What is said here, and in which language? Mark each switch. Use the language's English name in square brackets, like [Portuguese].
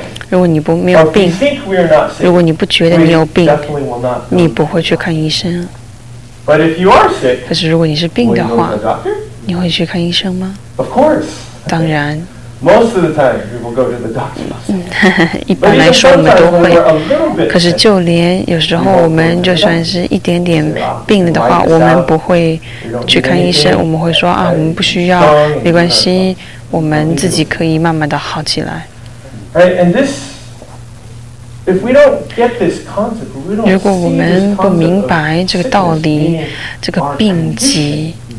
[Chinese] 如果你不没有病，如果你不觉得你有病，你不会去看医生。可是如果你是病的话，你会去看医生吗？当然。 [English] Most of the time, we will go to the doctor. [Chinese] 一般来说，我们都会。可是，就连有时候我们就算是一点点病了的话，我们不会去看医生。我们会说啊，我们不需要，没关系，我们自己可以慢慢的好起来。 [English] Right, and this, if we don't get this concept, we don't. [Chinese] 如果我们不明白这个道理，这个病疾。